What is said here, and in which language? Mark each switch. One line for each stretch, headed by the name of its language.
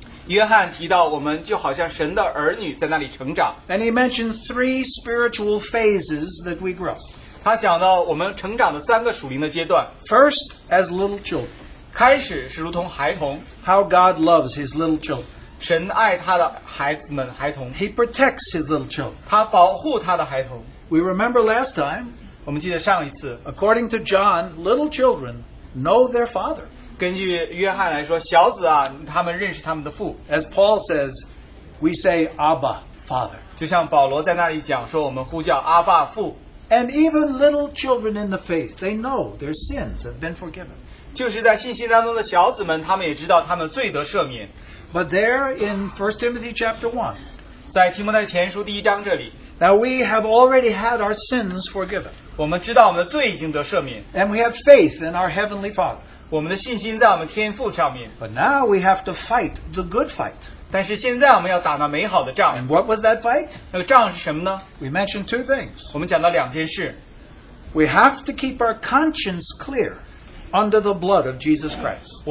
Chinese: 约翰提到我们就好像神的儿女在那里成长。
English: And he mentioned three spiritual phases that we grow.
Chinese: 他讲到我们成长的三个属灵的阶段。
English: First, as little children.
Chinese: 开始是如同孩童。
English: How God loves his little children.
Chinese: 神爱他的孩子们,孩童。
English: He protects his little children.
Chinese: 他保护他的孩童。
English: We remember last time,
Chinese: 我们记得上一次,
English: according to John, little children know their father.
Chinese: 根据约翰来说,小子啊,他们认识他们的父。
English: As Paul says, we say, Abba, Father.
Chinese: 就像保罗在那里讲说,我们呼叫阿爸父。
English: And even little children in the faith, they know their sins have been forgiven.
Chinese: 就是在信心当中的小子们,他们也知道他们罪得赦免。
English: But there in 1 Timothy chapter 1,
Chinese: 在提摩太前书第一章这里,
English: now we have already had our sins forgiven.
Chinese: 我们知道我们的罪已经得赦免。
English: And we have faith in our Heavenly Father.
Chinese: 我们的信心在我们天父上面。
English: But now we have to fight the good fight.
Chinese: 但是现在我们要打那美好的仗。
English: And what was that fight?
Chinese: 那个仗是什么呢?
English: We mentioned two things.
Chinese: 我们讲到两件事。
English: We have to keep our conscience clear under the blood of Jesus Christ.